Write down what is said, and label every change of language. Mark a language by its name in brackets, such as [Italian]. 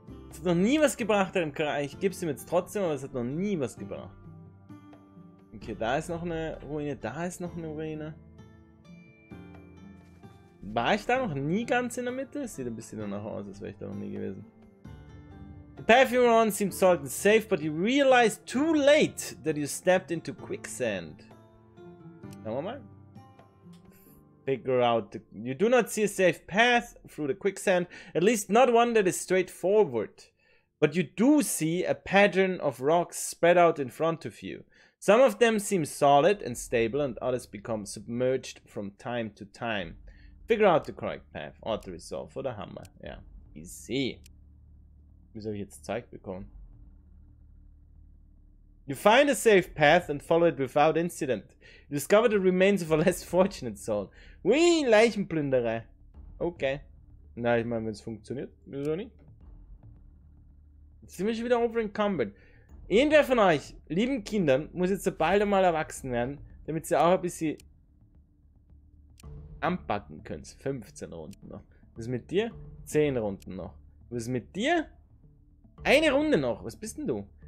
[German] Es hat noch nie was gebracht, deinem Charakter. Ich geb's ihm jetzt trotzdem, aber es hat noch nie was gebracht. Okay, da ist noch eine Ruine, da ist noch eine Ruine. War ich da noch nie ganz in der Mitte? Sieht ein bisschen danach aus, als wäre ich da noch nie gewesen. [English] The path you're on seems solid and safe, but you realize too late that you stepped into quicksand. [German] Schauen wir mal. [English] Figure out. You do not see a safe path through the quicksand, at least not one that is straightforward. But you do see a pattern of rocks spread out in front of you. Some of them seem solid and stable, and others become submerged from time to time. Figure out the correct path. Auto resolve for the hammer. Yeah, easy. [German] Wieso habe ich jetzt Zeit bekommen? [English] You find a safe path and follow it without incident. You discover the remains of a less fortunate soul. [German] Whee, Leichenplünderer. Okay. Na, ich meine, wenn es funktioniert, wieso nicht? Jetzt sind wir schon wieder overencumbered. Irgendwer von euch, lieben Kindern, muss jetzt so bald einmal erwachsen werden, damit sie auch ein bisschen anpacken können. 15 Runden noch. Was ist mit dir? 10 Runden noch. Was ist mit dir? Eine Runde noch. Was bist denn du?